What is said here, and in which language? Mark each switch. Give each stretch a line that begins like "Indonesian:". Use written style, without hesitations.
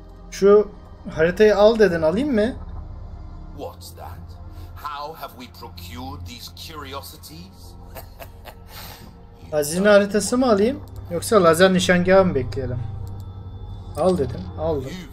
Turkish: Şu haritayı al dedin, alayım mı?
English: What's that? How have we procured these curiosities?
Turkish: Hazine haritası mı alayım yoksa lazer nişangahı mı bekleyelim? Al dedim, aldım.